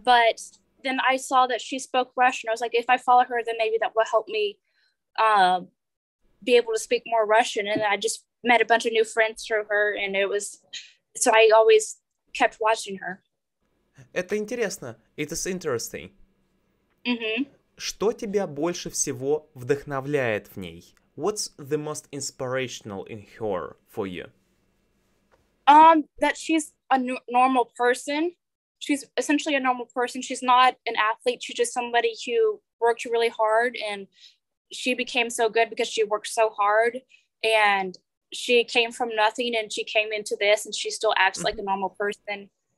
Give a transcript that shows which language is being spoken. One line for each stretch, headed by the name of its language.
English: but then I saw that she spoke Russian. I was like, if I follow her, then maybe that will help me be able to speak more Russian. And I just met a bunch of new friends through her, and it was, so I always kept watching her.
Russian: Это интересно.
English: It is interesting. Mm-hmm.
Russian: Что тебя больше всего вдохновляет в ней?
English: What's the most inspirational in her for you? That she's a normal person. She's essentially a normal person. She's not an athlete. She's just somebody who worked really hard, and she became so good because she worked so hard, and she came from nothing, and she came into this, and she still acts mm-hmm. like a normal person.